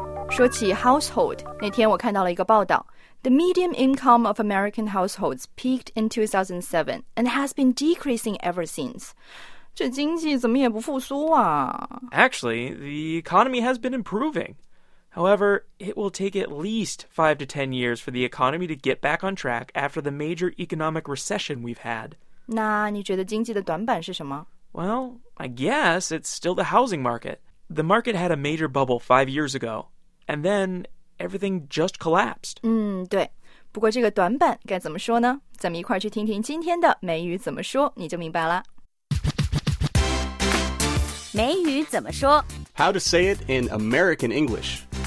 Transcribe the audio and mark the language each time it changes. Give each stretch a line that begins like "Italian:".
Chinese: 说起
English: household,
Chinese: 那天我看到了一个报道
English: The median income of American households peaked in 2007 and has been decreasing ever since.
Chinese: 这经济怎么也不复苏啊
English: Actually, the economy has been improving. However, it will take at least 5 to 10 years for the economy to get back on track after the major economic recession we've had.
Chinese: 那你觉得经济的短板是什么
English: Well, I guess it's still the housing market. The market had a major bubble 5 years ago. And then everything just collapsed.
Chinese: 嗯，对。不过这个短板该怎么说呢？咱们一块去听听今天的美语怎么说，你就明白了。美语怎么说
English: ？How to say it in American English?